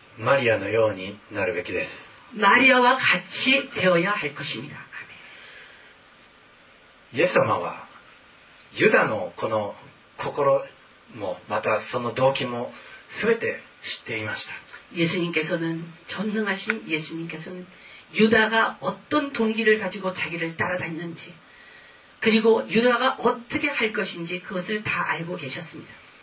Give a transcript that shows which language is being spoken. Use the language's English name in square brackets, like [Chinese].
[Japanese] 마리아のようになるべきです。 [Korean] 마리아와같이되어야할것입니다。 [Japanese] イエス様はユダのこの心もまたその動機も全て知っていました。 [Korean] 예수님께서는전능하신예수님께서는유다가어떤동기를가지고자기를따라다녔는지그리고유다가어떻게할것인지그것을다알고계셨습니다。